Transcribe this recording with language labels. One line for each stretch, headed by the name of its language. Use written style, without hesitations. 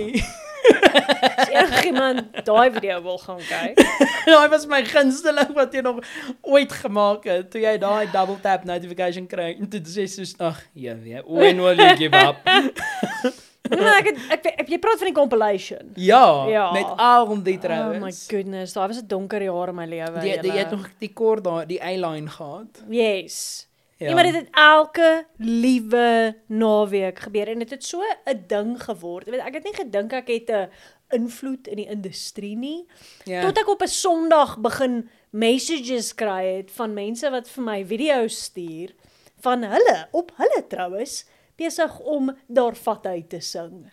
Afrikaans: Als jy iemand daai video wil gaan kyk. Daai was my gunsteling wat jy nog ooit gemaak het, toe jy daai double tap notification kry, en toe sê soos, ach, jy weet,
English: when will you give up?
Afrikaans: Maar ek jy praat van die compilation. Ja, ja, met al die trouwens.
English: Oh my goodness,
Afrikaans: daai was 'n donker jaar in my lewe. Jy het nog die kort daar, die eyeline gehad.
English: Yes.
Afrikaans: Ja. Nie, maar dit het elke liewe naweek gebeur en dit het so 'n ding geword. Ek het nie gedink ek het 'n invloed in die industrie nie. Ja. Tot ek op 'n Sondag begin messages kry het van mense wat vir my video's stuur van hulle, op hulle trouwens, besig om daar vat uit te sing.